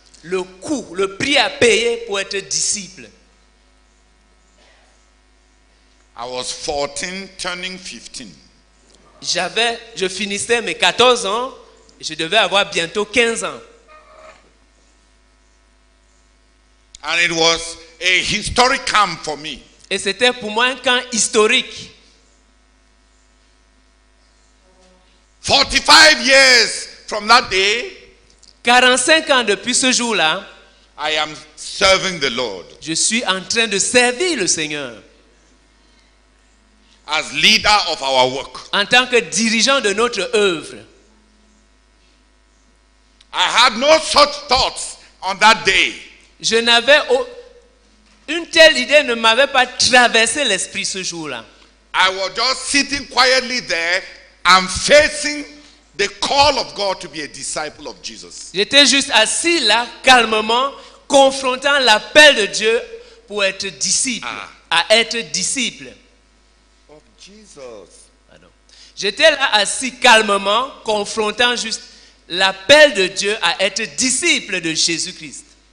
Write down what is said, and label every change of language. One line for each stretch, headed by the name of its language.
French: Le coût, le prix à payer pour être disciple.
English: I was 14 turning 15.
French: Je finissais mes 14 ans, je devais avoir bientôt 15 ans.
English: And it was a historic camp for me.
French: Et c'était pour moi un camp historique.
English: 45 years from that day,
French: 45 ans depuis ce jour-là,
English: I am serving the Lord.
French: Je suis en train de servir le Seigneur.
English: As leader of our work,
French: en tant que dirigeant de notre œuvre,
English: I had no such thoughts on that day.
French: Je n'avais une telle idée ne m'avait pas traversé l'esprit ce jour-là.
English: I was just sitting quietly there and facing the call of God to be a disciple of Jesus.
French: J'étais juste assis là calmement, confrontant l'appel de Dieu pour être disciple, à être disciple.
English: Jesus.
French: Pardon. J'étais là assis calmement, confrontant juste l'appel de Dieu à être disciple de Jésus-Christ.